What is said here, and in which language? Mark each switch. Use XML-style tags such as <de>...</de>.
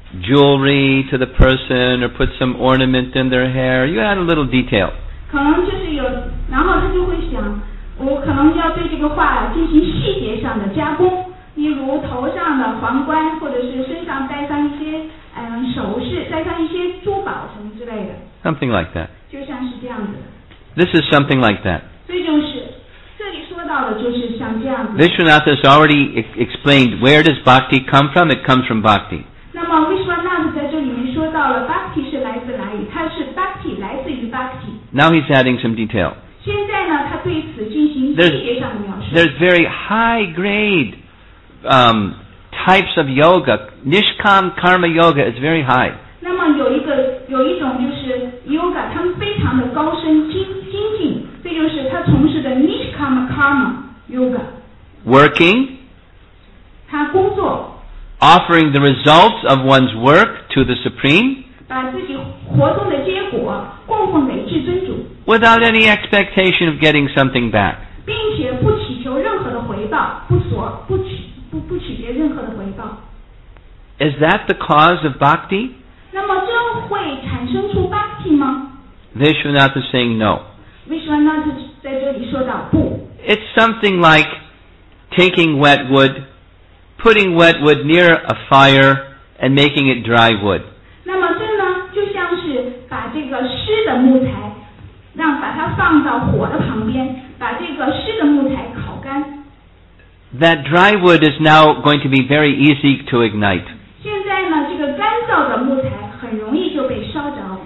<en>Jewelry to the person, or put some ornament in their hair. You add a little detail.</en> <zh>可能就是有，然后他就会想，我可能要对这个画进行细节上的加工。头上的皇冠或者是身上戴上一些首饰戴上一些珠宝什么之类的</zh> <en>something like that</en> <zh>就像是这样子</zh> <en>this is something like that</en> <zh>所以就是</zh> <en>Vishwanath has already explained where does bhakti come from? It comes from bhakti.</en> <zh>那么 Vishwanath 在这里面说到了 bhakti 是来自哪里？它是 bhakti 来自于 bhakti.</zh> <en>Now he's adding some detail.</en> <zh>现在呢，他对此进行细节上的描述。</zh> <en>There's very high grade types of yoga. Nishkam karma yoga is very high.</en> <zh>那么有一种就是 yoga， 他们非常的高深精进，这就是他从事的 nishkam karma。Yoga.</zh> <en>Working,</en> <zh>他工作,</zh> <en>offering the results of one's work to the Supreme,</en> <zh>把自己活动的结果供奉给至尊主,</zh> <en>without any expectation of getting something back.</en> <zh>并且不祈求任何的回报, 不取别任何的回报。</zh> <en>Is that the cause of bhakti?</en> <zh>那么这会产生出 bhakti 吗?</zh> <en>Vishwanath is saying no.</en> <zh>Vishwanath 在这里说到不。</zh> <en>It's something like taking wet wood, putting wet wood near a fire, and making it dry wood.</en> <zh>那么这呢，就像是把这个湿的木材，让把它放到火的旁边，把这个湿的木材烤干。</zh> <en>That dry wood is now going to be very easy to ignite.</en> <zh>现在呢，这个干燥的木材很容易就被烧着。</zh>